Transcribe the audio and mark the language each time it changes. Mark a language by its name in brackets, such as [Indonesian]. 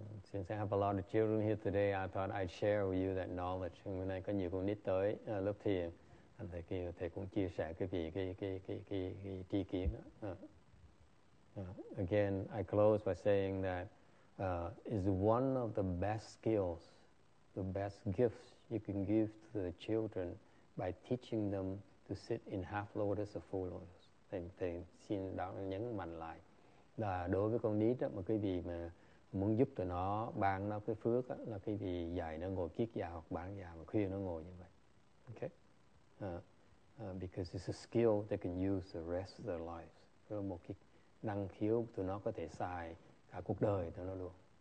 [English] Since I have a lot of children here today, I thought I'd share with you that knowledge. [Vietnamese] Hôm nay có nhiều con nít tới lớp thiền, thầy cũng chia sẻ cái tri kiến. [English] Again, I close by saying that is one of the best skills, the best gifts you can give to the children by teaching them to sit in half lotus or full lotus. [Vietnamese] Thầy xin nhấn mạnh lại là đối với con nít đó, mà quý vị mà muốn giúp tụi nó ban nó cái phước đó, là cái gì dạy nó ngồi kiết già hoặc bán già mà khuya nó ngồi như vậy. [English] Okay. Because it's a skill they can use the rest of their lives. [Vietnamese] Rồi một cái năng khiếu tụi nó có thể xài cả cuộc đời tụi nó luôn.